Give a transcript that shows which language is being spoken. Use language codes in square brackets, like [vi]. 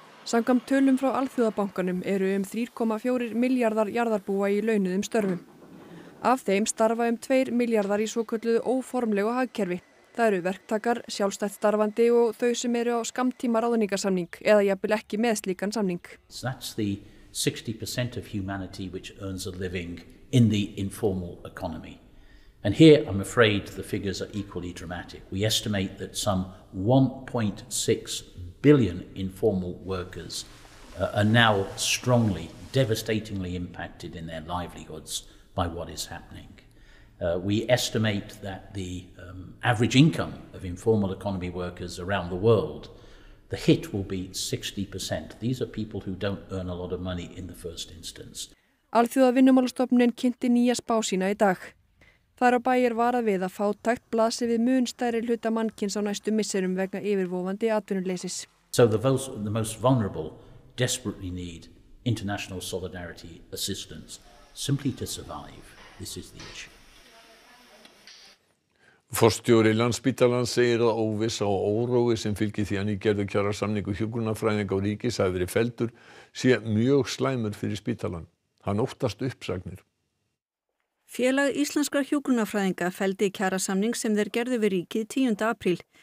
[is] Samkvæmt tölum frá Alþjóðabankanum eru 3,4 milljarðar jarðarbúa í launuðum störfum. Af þeim starfa 2 milljarðar í svokölluðu óformlegu hagkerfi. Það eru verktakar, sjálfstætt starfandi og þau sem eru á skammtíma ráðningarsamning eða jafnvel ekki með slíkan samning. [en] That's the 60% of humanity which earns a living in the informal economy. And here I'm afraid the figures are equally dramatic. We estimate that some 1.6 billion informal workers are now strongly, devastatingly impacted in their livelihoods by what is happening. We estimate that the average income of informal economy workers around the world The hit will be 60%. These are people who don't earn a lot of money in the first instance. [is] Alþjóða vinnumálastofnunin kynnti nýja spá sína í dag. Þar á bæ varað við að fátækt blasi við mun stærri hluta mannkyns á næstu misserum vegna yfirvofandi atvinnuleysis. [en] So the most vulnerable desperately need international solidarity assistance simply to survive. This is the issue. [is] Forstjóri Landspítalans segir að óvissa og órói sem fylgir því að nýgerðu kjarasamningu hjúkrunarfræðinga og ríkis hafi verið felldur sé mjög slæmur fyrir spítalann. Hann óttast uppsagnir. Félag íslenskra hjúkrunarfræðinga felldi kjarasamning sem þeir gerðu við ríkið 10. apríl.